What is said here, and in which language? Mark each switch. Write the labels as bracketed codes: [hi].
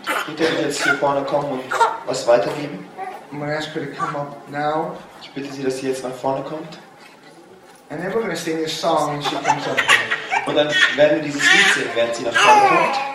[de] Rita wird jetzt hier vorne kommen und was weitergeben. [en] I'm going to ask her to come up now. [de] Ich bitte sie, dass sie jetzt nach vorne kommt. [en] And then we're going to sing this song when she comes up. [de] Und dann werden wir dieses Lied singen, während sie nach vorne kommt.